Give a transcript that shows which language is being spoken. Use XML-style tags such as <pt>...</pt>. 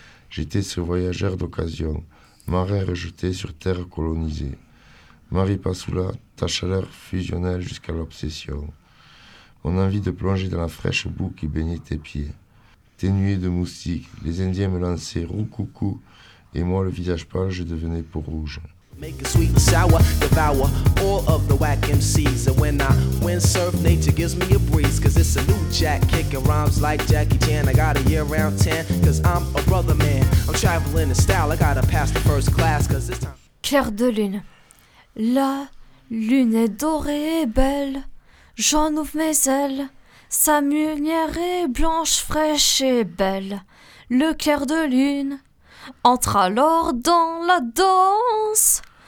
<fr>J'étais ce voyageur d'occasion, marin rejeté sur terre colonisée. Marie Passoula, ta chaleur fusionnelle jusqu'à l'obsession. Mon envie de plonger dans la fraîche boue qui baignait tes pieds. Tes nuées de moustiques, les Indiens me lançaient roucoucou, et moi le visage pâle, je devenais peau rouge.</fr> <en>Make it sweet and sour, devour all of the whack MCs. And when I windsurf, nature gives me a breeze. Cause it's a new jack, kicking rhymes like Jackie Chan. I got a year round 10, cause I'm a brother man. I'm traveling in style, I gotta pass the first class. Cause this time...</en> <fr>Clair de lune. La lune est dorée et belle. J'en ouvre mes ailes. Sa lumière est blanche, fraîche et belle. Le clair de lune entre alors dans la danse.</fr>